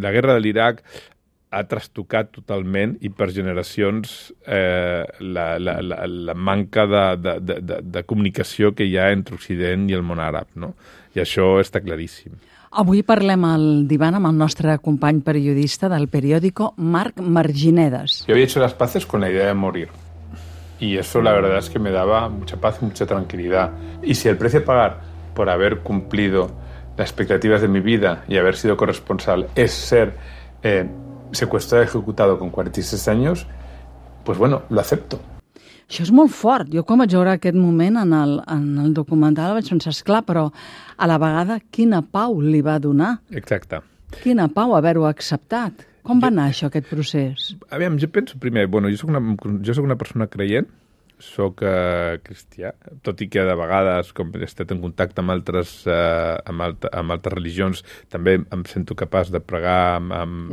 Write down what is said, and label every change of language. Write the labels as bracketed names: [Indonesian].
[Catalan] La guerra de l'Iraq ha trastocat totalment i per generacions la manca de comunicació que hi ha entre Occident i el món àrab, no? I això està claríssim. Avui parlem al divan amb el nostre company periodista del periòdico, Marc Marginedes. [Spanish] Yo había hecho las paces con la idea de morir. Y eso la verdad es que me daba mucha paz y mucha tranquilidad. Y si el precio a pagar por haber cumplido las expectativas de mi vida y haber sido corresponsal es ser... secuestrado, ejecutado con 46 años, pues bueno, lo acepto. [Catalan] Això és molt fort. Jo quan vaig veure aquest moment en el documental vaig pensar, esclar, però a la vegada quina pau li va donar. Exacte. Quina pau haver-ho acceptat. Com va anar això, aquest procés? Aviam, jo penso primer, bueno, jo sóc una persona creient, sóc cristià, tot i que de vegades, com he estat en contacte amb altres amb altres religions, també em sento capaç de pregar amb...